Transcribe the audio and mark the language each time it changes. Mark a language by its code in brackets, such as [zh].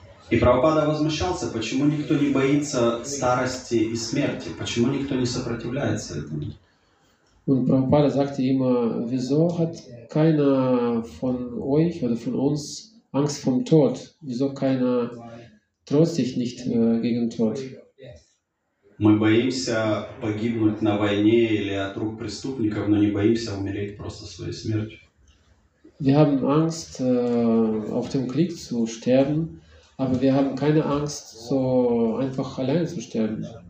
[ru] И Прабхупада возмущался, почему никто не боится старости и смерти, почему никто не сопротивляется этому. [de] Und Prabhupada sagte immer, wieso hat keiner von euch oder von uns Angst vor dem Tod? Wieso keiner trotzt sich nicht gegen den Tod? [ru] Мы боимся погибнуть на войне или от рук преступников, но не боимся умереть просто своей смертью. [de] Wir haben Angst auf dem Krieg zu sterben, aber wir haben keine Angst so einfach alleine zu sterben.